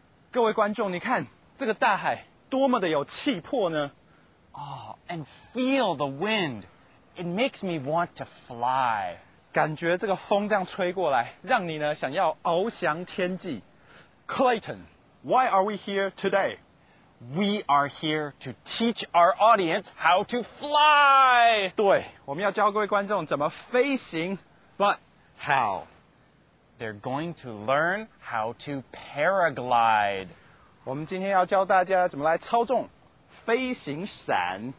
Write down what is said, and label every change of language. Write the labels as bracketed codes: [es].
[zh] 各位观众，你看这个大海多么的有气魄呢。 [en] Oh, and feel the wind. It makes me want to fly. [zh] 感觉这个风这样吹过来，让你呢想要翱翔天际。 [en] Clayton, why are we here today? We are here to teach our audience how to fly. [zh] 对，我们要教各位观众怎么飞行。 [en] But how? They're going to learn how to paraglide. [zh] 我们今天要教大家怎么来操纵飞行伞。